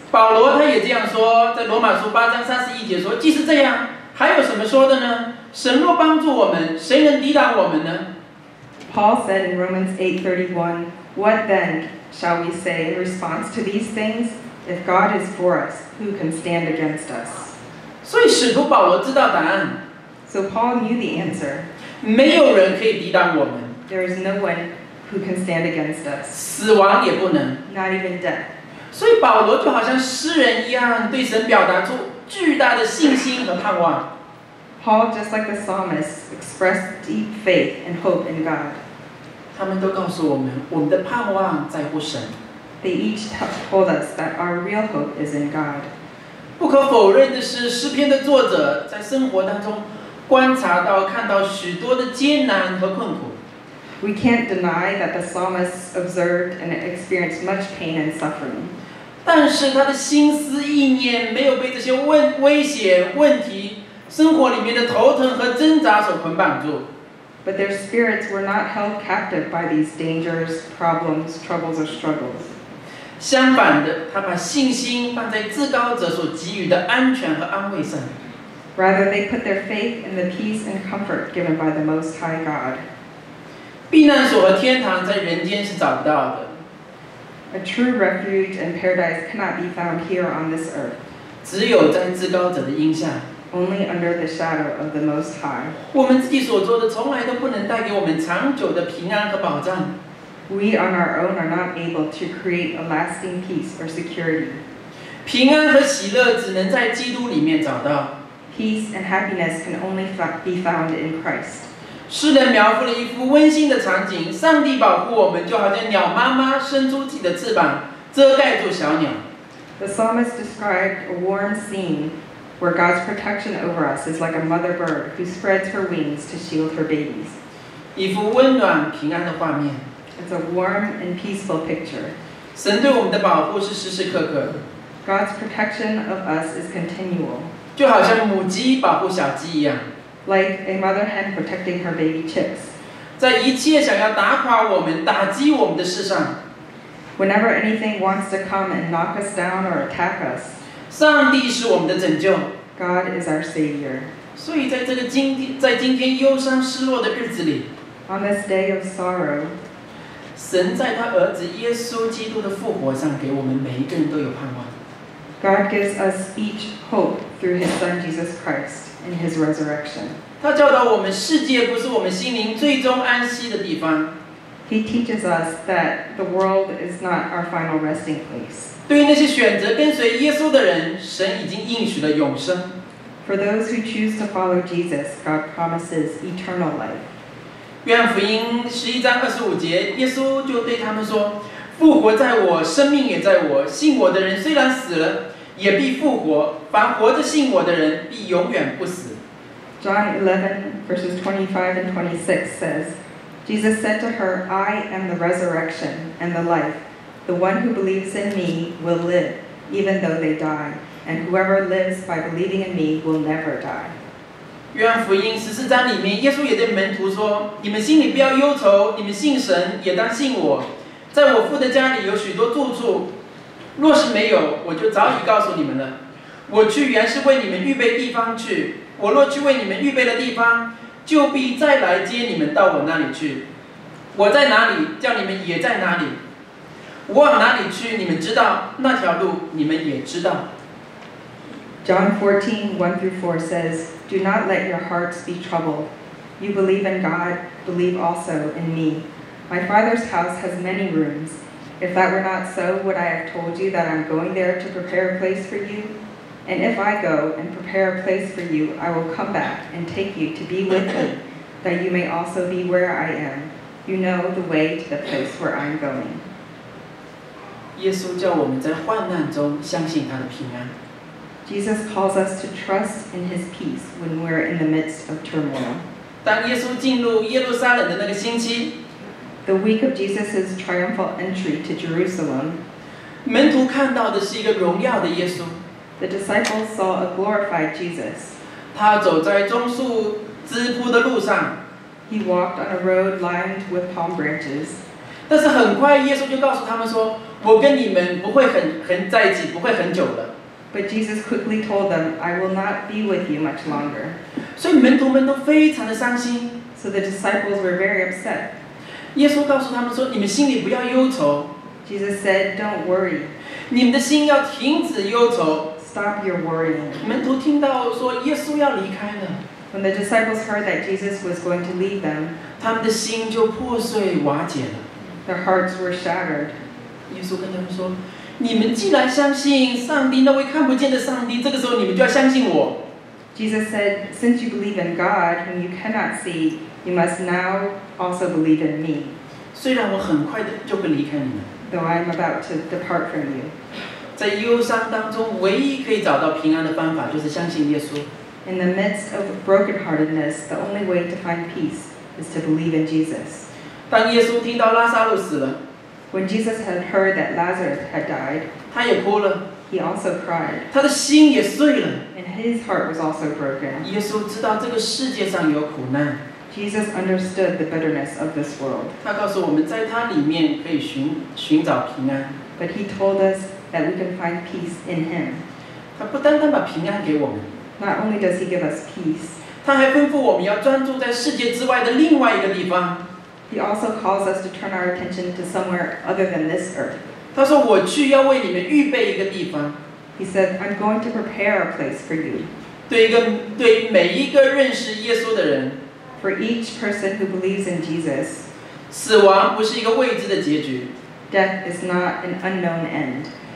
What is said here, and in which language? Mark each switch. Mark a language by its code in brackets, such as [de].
[zh] 保罗他也这样说，在罗马书八章三十一节说，即使这样，还有什么说的呢？神若帮助我们，谁能抵挡我们呢？ [en] Paul said in Romans 8:31, What then shall we say in response to these things? If God is for us, who can stand against us? [zh] 所以使徒保罗知道答案。 [en] So Paul knew the answer. [zh] 没有人可以抵挡我们。 [en] There is no one who can stand against us. [zh] 死亡也不能。 [en] Not even death. [zh] 所以保罗就好像诗人一样，对神表达出巨大的信心和盼望。 [en] Paul, just like the psalmist, expressed deep faith and hope in God. [zh] 他们都告诉我们，我们的盼望在乎神。 [en] They each told us that our real hope is in God. [zh] 不可否认的是，诗篇的作者在生活当中观察到看到许多的艰难和困苦。 [en] We can't deny that the psalmist observed and experienced much pain and suffering. [zh] 但是他的心思意念没有被这些威胁、问题、生活里面的头疼和挣扎所捆绑住。 [en] But their spirits were not held captive by these dangers, problems, troubles, or struggles. [zh] 相反的，他把信心放在至高者所给予的安全和安慰上。 [en] Rather, they put their faith in the peace and comfort given by the Most High God. [zh] 避难所和天堂在人间是找不到的。 [en] A true refuge and paradise cannot be found here on this earth. [zh] 只有在至高者的荫下。 [en] Only under the shadow of the Most High. [zh] 我们自己所做的从来都不能带给我们长久的平安和保障。 [en] We on our own are not able to create a lasting peace or security. [zh] 平安和喜乐只能在基督里面找到。 [en] Peace and happiness can only be found in Christ. [zh] 诗人描述了一幅温馨的场景，上帝保护我们，就好像鸟妈妈伸出自己的翅膀，遮盖住小鸟。 [en] The psalmist described a warm scene where God's protection over us is like a mother bird who spreads her wings to shield her babies. [zh] 一幅温暖平安的画面。 [en] It's a warm and peaceful picture. [zh] 神对我们的保护是时时刻刻。 [en] God's protection of us is continual. [zh] 就好像母鸡保护小鸡一样 [en] ，like a mother hen protecting her baby chicks， [zh] 在一切想要打垮我们、打击我们的事上 [en] ，whenever anything wants to come and knock us down or attack us， [zh] 上帝是我们的拯救 [en] ，God is our savior。 [zh] 所以在这个今天忧伤失落的日子里 [en] ，on this day of sorrow， [zh] 神在他儿子耶稣基督的复活上给我们每一个人都有盼望。 [en] God gives us each hope through His Son Jesus Christ and His resurrection. [zh] 他教导我们，世界不是我们心灵最终安息的地方。 [en] He teaches us that the world is not our final resting place. [zh] 对于那些选择跟随耶稣的人，神已经应许了永生。 [en] For those who choose to follow Jesus, God promises eternal life. [zh] 约翰福音十一章二十五节，耶稣就对他们说。复活在我，生命也在我。信我的人虽然死了，也必复活。凡活着信我的人，必永远不死。 [en] John 11 verses 25 and 26 says, Jesus said to her, I am the resurrection and the life. The one who believes in me will live, even though they die. And whoever lives by believing in me will never die. [zh] 约翰福音十四章里面，耶稣也对门徒说，你们心里不要忧愁，你们信神，也当信我。在我父的家里有许多住处，若是没有，我就早已告诉你们了。我去原是为你们预备地方去。我若去为你们预备了地方，就必再来接你们到我那里去。我在哪里，叫你们也在哪里。我往哪里去，你们知道，那条路你们也知道。 [en] John 14, 1 through 4 says, Do not let your hearts be troubled. You believe in God, believe also in me. My Father's house has many rooms. If that were not so, would I have told you that I'm going there to prepare a place for you? And if I go and prepare a place for you, I will come back and take you to be with me, that you may also be where I am. You know the way to the place where I'm going. [zh] 耶稣叫我们在患难中相信他的平安。 [en] Jesus calls us to trust in his peace when we're in the midst of turmoil. [zh] 当耶稣进入耶路撒冷的那个星期, [en] the week of Jesus' triumphal entry to Jerusalem, [zh] 门徒看到的是一个荣耀的耶稣。 [en] The disciples saw a glorified Jesus. [zh] 他走在棕树枝铺的路上。 [en] He walked on a road lined with palm branches. [zh] 但是很快耶稣就告诉他们说, 我跟你们不会很在一起，不会很久的。 [en] But Jesus quickly told them, I will not be with you much longer. [zh] 所以门徒们都非常的伤心。 [en] So the disciples were very upset. [zh] 耶稣告诉他们说, 你们心里不要忧愁。 [en] Jesus said, don't worry. [zh] 你们的心要停止忧愁。 [en] Stop your worrying. [zh] 门徒听到说耶稣要离开了。 [en] When the disciples heard that Jesus was going to leave them, [zh] 他们的心就破碎瓦解了。 [en] Their hearts were shattered. [zh] 耶稣跟他们说, 你们既然相信上帝那位看不见的上帝，这个时候你们就要相信我。 [en] Jesus said, since you believe in God whom you cannot see, you must now also believe in me. [zh] 虽然我很快就会离开你们。 [en] Though I'm about to depart from you. [zh] 在忧伤当中，唯一可以找到平安的方法就是相信耶稣。 [en] In the midst of brokenheartedness, the only way to find peace is to believe in Jesus. [zh] 当耶稣听到拉撒路死了。 [en] When Jesus had heard that Lazarus had died, [zh] 他也哭了, [en] he also cried. [zh] 他的心也碎了, [en] and his heart was also broken. [zh] 耶稣知道这个世界上有苦难, [en] Jesus understood the bitterness of this world. [zh] 他告诉我们在他里面可以寻找平安, [en] but he told us that we can find peace in him. [zh] 他不单单把平安给我们, [en] not only does he give us peace, [zh] 他还吩咐我们要专注在世界之外的另外一个地方。 [en] He also calls us to turn our attention to somewhere other than this earth. [zh] 他说我去要为你们预备一个地方。 [en] He said, I'm going to prepare a place for you. [zh] 对每一个认识耶稣的人, [en] for each person who believes in Jesus, [zh] 死亡不是一个未知的结局。 [en] Death is not an unknown end.